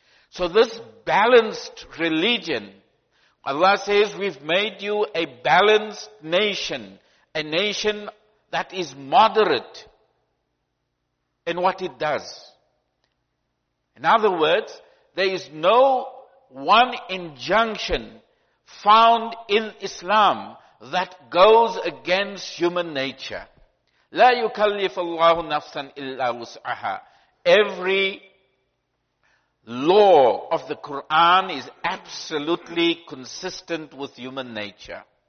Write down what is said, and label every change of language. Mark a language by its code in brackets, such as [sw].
[en] So this balanced religion, Allah says, we've made you a balanced nation, a nation that is moderate in what it does. In other words, there is no one injunction found in Islam that goes against human nature. [ar] لا يكلف الله نفسا إلا وسعها. [en] Every law of the Quran is absolutely consistent with human nature.